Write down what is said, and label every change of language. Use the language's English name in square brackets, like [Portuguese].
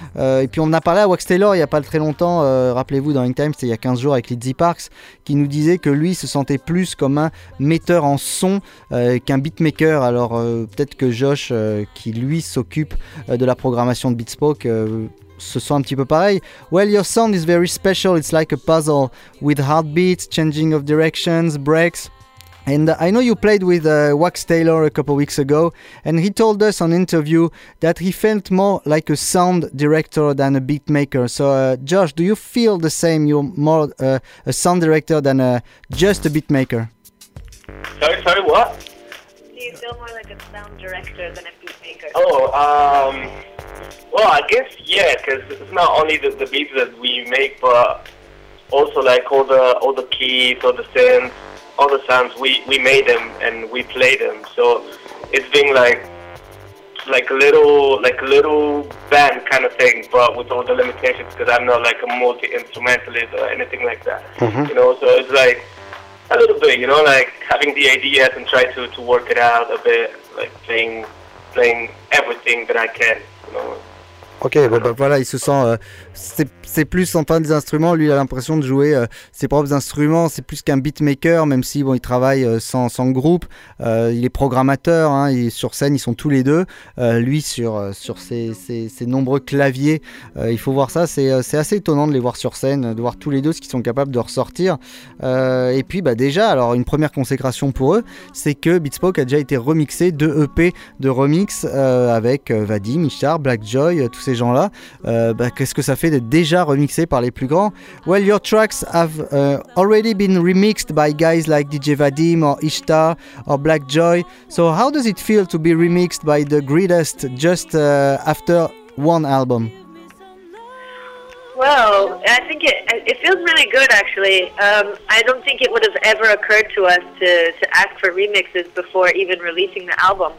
[French] Et puis on a parlé à Wax Taylor il n'y a pas très longtemps, rappelez-vous dans Hangtime, c'était il y a 15 jours avec Lizzy Parks, qui nous disait que lui se sentait plus comme un metteur en son qu'un beatmaker. Alors peut-être que Josh, qui lui s'occupe de la programmation de Beatspoke, ce sont un petit peu pareil. [English] Well, your sound is very special. It's like a puzzle with heartbeats, changing of directions, breaks. And I know you played with Wax Taylor a couple weeks ago, and he told us on interview that he felt more like a sound director than a beat maker. So, Josh, do you feel the same? You're more a sound director than just a beat maker? Sorry, what? Do you feel more like a sound director than a beat maker? Oh. Well, I guess, yeah, because it's not only the beats that we make, but also, like, all the keys, all the synths, all the sounds, we made them and we play them. So it's been, like a little band kind of thing, but with all the limitations, because I'm not, like, a multi-instrumentalist or anything like that, mm-hmm. you know? So it's, like, A little bit, you know, like having the ideas and try to work it out a bit, like playing everything that I can, you know. [French] Ok, bon, bah, voilà, il se sent, c'est plus en train des instruments, lui il a l'impression de jouer ses propres instruments, c'est plus qu'un beatmaker, même si bon, il travaille sans groupe, il est programmateur, hein, et sur scène ils sont tous les deux, lui sur ses nombreux claviers, il faut voir ça, c'est assez étonnant de les voir sur scène, de voir tous les deux ce qu'ils sont capables de ressortir, et puis bah, déjà, alors une première consécration pour eux, c'est que Beatspoke a déjà été remixé, deux EP de remix avec Vadim, Ishtar, Black Joy, tous ces gens-là, qu'est-ce que ça fait d'être déjà remixé par les plus grands? [English] Well, your tracks have already been remixed by guys like DJ Vadim or Ishtar or Black Joy. So how does it feel to be remixed by the greatest just after one album? Well, I think it feels really good, actually. I don't think it would have ever occurred to us to ask for remixes before even releasing the album.